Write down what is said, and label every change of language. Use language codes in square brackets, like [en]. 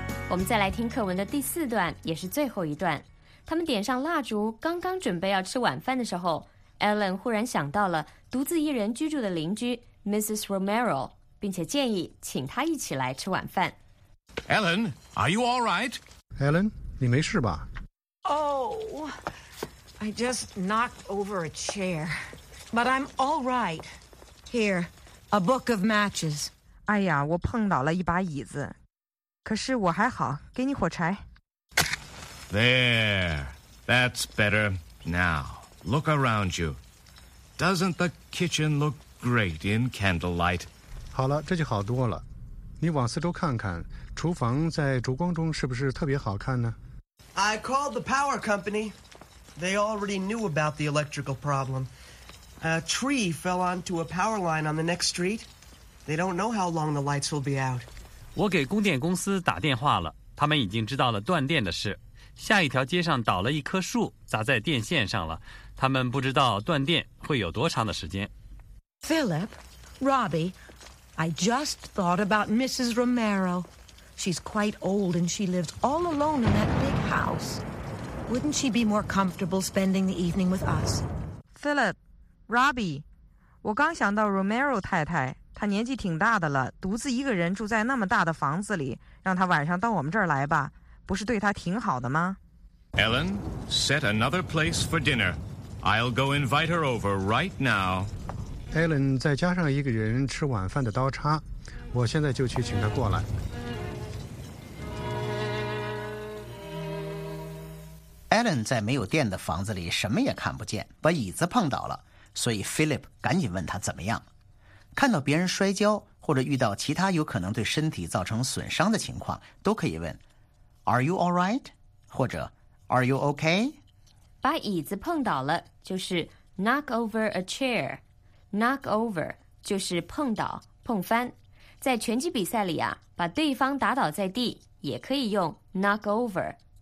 [zh] 我们再来听课文的第四段，也是最后一段。他们点上蜡烛，刚刚准备要吃晚饭的时候， Ellen 忽然想到了独自一人居住的邻居 Mrs. Romero， 并且建议请她一起来吃晚饭。 [en] Ellen, are you all right? [zh] Ellen, 你没事吧？ [en] Oh, I just knocked over a chair. But I'm all right. Here, a book of matches. [zh] 哎呀，我碰倒了一把椅子。可是我还好，给你火柴。 [en] There, that's better. Now, look around you. Doesn't the kitchen look great in candlelight? [zh] 好了，这就好多了。你往四周看看，厨房在烛光中是不是特别好看呢？ [en] I called the power company. They already knew about the electrical problem. A tree fell onto a power line on the next street. They don't know how long the lights will be out. [zh] 我给供电公司打电话了，他们已经知道了断电的事。下一条街上倒了一棵树，砸在电线上了，他们不知道断电会有多长的时间。 [en] Philip, Robbie, I just thought about Mrs. Romero. She's quite old and she lives all alone in that big house. Wouldn't she be more comfortable spending the evening with us? [zh] Philip, Robbie, 我刚想到 Romero 太太。他年纪挺大的了，独自一个人住在那么大的房子里，让他晚上到我们这儿来吧，不是对他挺好的吗？ [en] Ellen, set another place for dinner. I'll go invite her over right now. [zh] Ellen, 再加上一个人吃晚饭的刀叉，我现在就去请他过来。 Ellen 在没有电的房子里什么也看不见，把椅子碰倒了，所以 Philip 赶紧问他怎么样。看到别人摔跤或者遇到其他有可能对身体造成损伤的情况，都可以问 [en] Are you all right? 或者 Are you okay? [zh] 把椅子碰倒了就是 [en] knock over a chair. [zh] Knock over 就是碰倒碰翻。在拳击比赛里啊，把对方打倒在地也可以用 knock over.